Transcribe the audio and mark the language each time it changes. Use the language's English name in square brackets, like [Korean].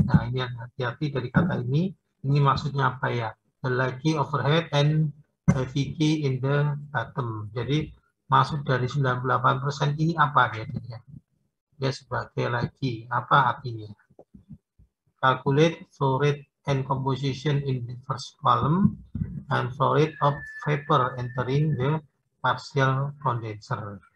[Indonesian] Nah, ini yang hati-hati dari kata ini maksudnya apa ya? [English] The leaky overhead and heavy key in the bottom. [Indonesian] Jadi, maksud dari 98% ini apa ya? Dia sebagai leaky, apa artinya? [English] Calculate flow rate and composition in the first column and flow rate of vapor entering the partial condenser.